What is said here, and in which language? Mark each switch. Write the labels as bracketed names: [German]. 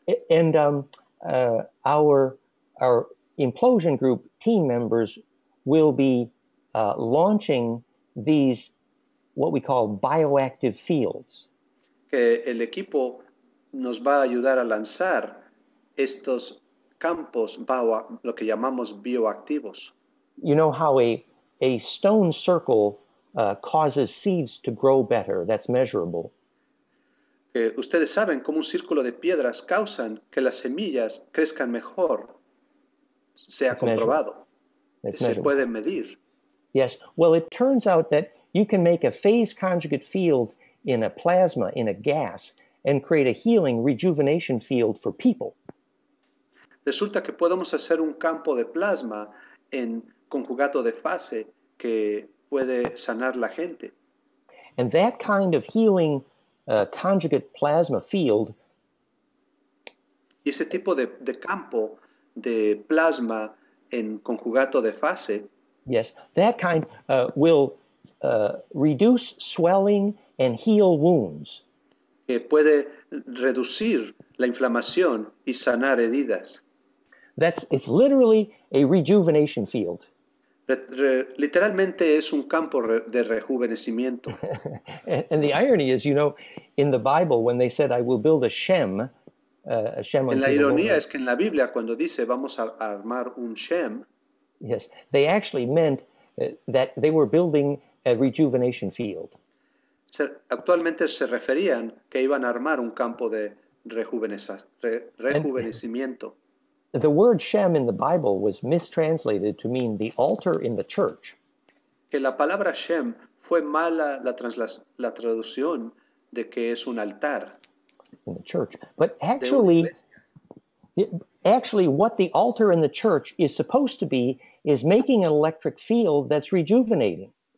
[English] And our implosion group team members will be launching these what we call bioactive fields. [Spanish] Que el equipo nos va a ayudar a lanzar estos campos lo que llamamos bioactivos. [English] You know how a stone circle causes seeds to grow better. That's measurable. [Spanish] Ustedes saben cómo un círculo de piedras causan que las semillas crezcan mejor. Se ha comprobado. Se puede medir. [English] Yes. Well, it turns out that you can make a phase conjugate field in a plasma, in a gas, and create a healing rejuvenation field for people. [Spanish] Resulta que podemos hacer un campo de plasma en conjugato de fase que puede sanar la gente. [English] And that kind of healing conjugate plasma field. [Spanish] Y ese tipo de campo de plasma en conjugato de fase. [English] Yes, that kind will reduce swelling and heal wounds. [Spanish] Que puede reducir la inflamación y sanar heridas. [English] It's literally a rejuvenation field. [Spanish] Literalmente es un campo de rejuvenecimiento. [English] And the irony is, you know, in the Bible, when they said, I will build a Shem. [Spanish] En la ironía es que en la Biblia, cuando dice, vamos a armar un Shem. [English] Yes, they actually meant that they were building a rejuvenation field. [Spanish] Actualmente se referían que iban a armar un campo de rejuvenecimiento. [English] The word Shem in the Bible was mistranslated to mean the altar in the church. [Spanish] Que la palabra Shem fue mala la traducción de que es un altar. [English] In the church. But actually what the altar in the church is supposed to be is making an electric field that's rejuvenating.